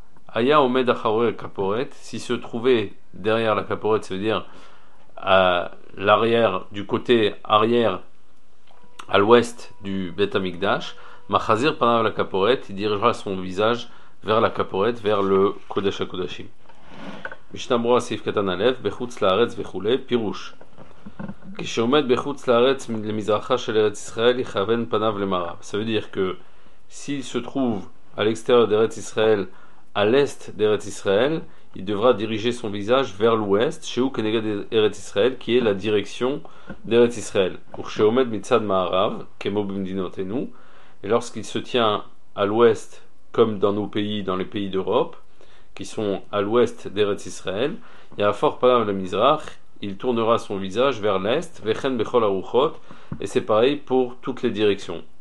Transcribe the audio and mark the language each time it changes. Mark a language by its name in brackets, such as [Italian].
[French] Aya Omed Acharei Kaporet, s'il se trouvait derrière la Kaporet, c'est-à-dire à l'arrière, du côté arrière, à l'ouest du Bet HaMikdash, Machazir Panav la Kaporet, il dirigera son visage vers la Kaporet, vers le Kodesh HaKodashim. [Hebrew] Mishnah Brura Seif Katan Alef, Bechutz Laaretz Vechule, Pirush. כשעומד בחוץ לארץ למזרחה של ארץ ישראל יכוון פניו למערב. [French] Ça veut dire que s'il se trouve à l'extérieur d'Eretz Israël, à l'est d'Eretz Israël, il devra diriger son visage vers l'ouest, [Hebrew] שהוא כנגד ארץ ישראל, [French] qui est la direction d'Eretz Israël. [Hebrew] וכשעומד מצד מערב, כמו במדינותינו, [French] et lorsqu'il se tient à l'ouest, comme dans nos pays, dans les pays d'Europe, qui sont à l'ouest d'Eretz Israël, il y a fort panav le Mizrach, il tournera son visage vers l'est, [Hebrew] vechen bechol aruchot, [French] et c'est pareil pour toutes les directions.